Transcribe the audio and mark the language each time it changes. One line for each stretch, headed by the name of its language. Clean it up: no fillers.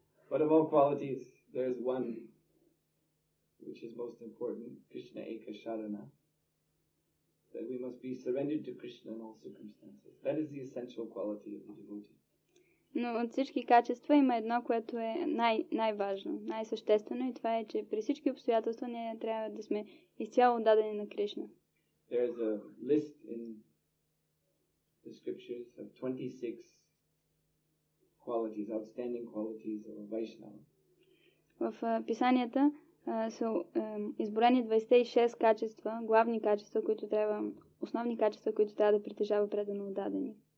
English: But of all qualities, there is one which is most important: Krishna Eka Sharana. That we must be surrendered to Krishna in all circumstances. That is the essential quality of the devotee.
Bulgarian: Но от всички качества има едно, което е най-важно, най-съществено, и това е, че при всички обстоятелства ние трябва да сме изцяло отдадени на Кришна.
English: There is a list in the scriptures of 26 qualities, outstanding qualities of a Vaishnava.
Bulgarian: В писанията са изборени 26 качества, главни качества, които трябва, основни качества, които трябва да притежава предано отдадени.